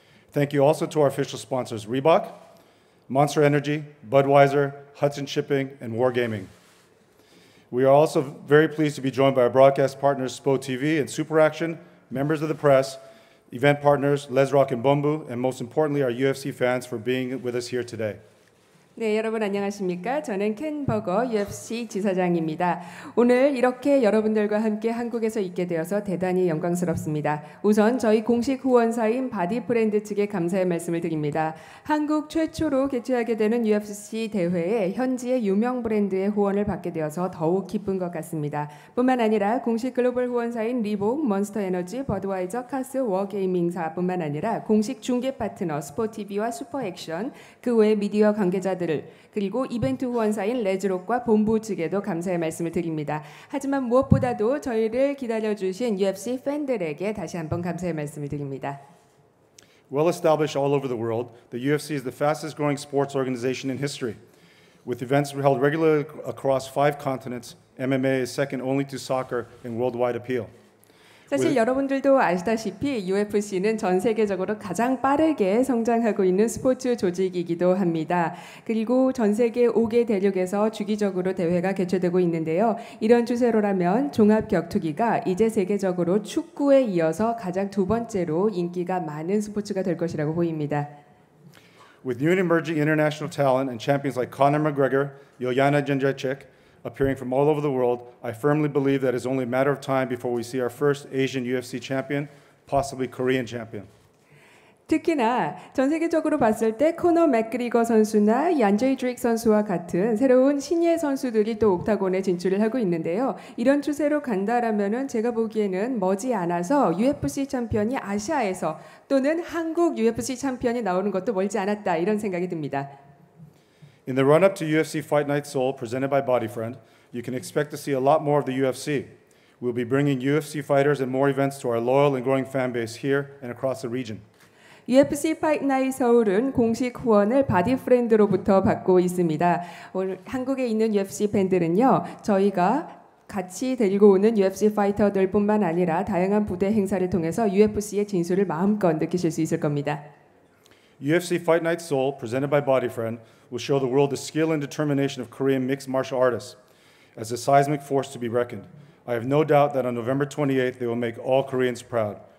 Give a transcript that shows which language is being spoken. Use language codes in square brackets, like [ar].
[en] Thank you also to our official sponsors, Reebok, Monster Energy, Budweiser, Hudson Shipping, and War Gaming. We are also very pleased to be joined by our broadcast partners, Spo TV and Super Action, members of the press, event partners, Les Rock and Bombu, and most importantly, our UFC fans for being with us here today. [ko] 네, 여러분 안녕하십니까? 저는 켄 버거 UFC 지사장입니다. 오늘 이렇게 여러분들과 함께 한국에서 있게 되어서 대단히 영광스럽습니다. 우선 저희 공식 후원사인 바디프렌드 측에 감사의 말씀을 드립니다. 한국 최초로 개최하게 되는 UFC 대회에 현지의 유명 브랜드의 후원을 받게 되어서 더욱 기쁜 것 같습니다. 뿐만 아니라 공식 글로벌 후원사인 리봉, 몬스터 에너지, 버드와이저, 카스, 워게이밍사뿐만 아니라 공식 중계 파트너 스포티비와 슈퍼액션, 그 외 미디어 관계자 그리고 이벤트 후원사인 레즈록과 본부 측에도 감사의 말씀을 드립니다. 하지만 무엇보다도 저희를 기다려주신 UFC 팬들에게 다시 한번 감사의 말씀을 드립니다. [en] Well established all over the world, the UFC is the fastest growing sports organization in history. With events held regularly across five continents, MMA is second only to soccer in worldwide appeal. [ko] 사실 여러분들도 아시다시피 UFC는 전 세계적으로 가장 빠르게 성장하고 있는 스포츠 조직이기도 합니다. 그리고 전 세계 5개 대륙에서 주기적으로 대회가 개최되고 있는데요. 이런 추세로라면 종합 격투기가 이제 세계적으로 축구에 이어서 가장 두 번째로 인기가 많은 스포츠가 될 것이라고 보입니다. [en] With new and emerging international talent and champions like Conor McGregor, Joanna Jędrzejczyk, appearing from all over the world, I firmly believe that it's only a matter of time before we see our first Asian UFC champion, possibly Korean champion. [ko] 특히나 전 세계적으로 봤을 때 코너 맥그리거 선수나 얀제이드릭 선수와 같은 새로운 신예 선수들이 또 옥타곤에 진출을 하고 있는데요. 이런 추세로 간다라면은 제가 보기에는 머지않아서 UFC 챔피언이 아시아에서 또는 한국 UFC 챔피언이 나오는 것도 멀지 않았다 이런 생각이 듭니다. [en] In the run-up to UFC Fight Night Seoul, presented by Bodyfriend, you can expect to see a lot more of the UFC. We'll be bringing UFC fighters and more events to our loyal and growing fan base here and across the region. [ko] UFC Fight Night Seoul은 공식 후원을 바디프렌드로부터 받고 있습니다. 오늘 한국에 있는 UFC 팬들은요, 저희가 같이 데리고 오는 UFC 파이터들뿐만 아니라 다양한 부대 행사를 통해서 UFC의 진수를 마음껏 느끼실 수 있을 겁니다. [en] UFC Fight Night Seoul, presented by Bodyfriend, will show the world the skill and determination of Korean mixed martial artists as a seismic force to be reckoned. I have no doubt that on November 28th, they will make all Koreans proud.